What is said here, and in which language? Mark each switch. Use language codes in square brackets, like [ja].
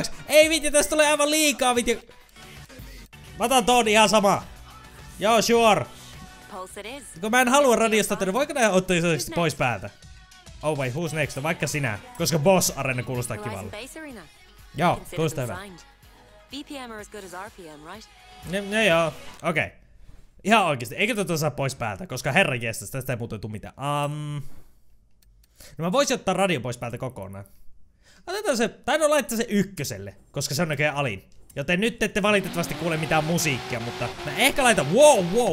[fi] Ei vittu, tästä tulee aivan liikaa vittu. Mä otan ton ihan sama. Joo, [en] sure. [fi] Kun mä en halua radiosta, niin voiko näin ottaa isoiksi pois päältä? [en] Oh wait, who's next? [fi] Vaikka sinä. Koska boss arena kuulostaa kivalle. Joo, kuulostaa hyvä. [en] BPM are as good as RPM, right? [fi] Ne joo, okei. [en] Okay. [fi] Ihan oikeesti, eikö tätä saa pois päältä, koska herra jestas, tästä ei muuten tuu mitään. No mä voisin ottaa radio pois päältä kokonaan. Otetaan se, tai no laittaa se ykköselle, koska se on näköjään alin. Joten nyt ette valitettavasti kuule mitään musiikkia, mutta mä ehkä laitan wow.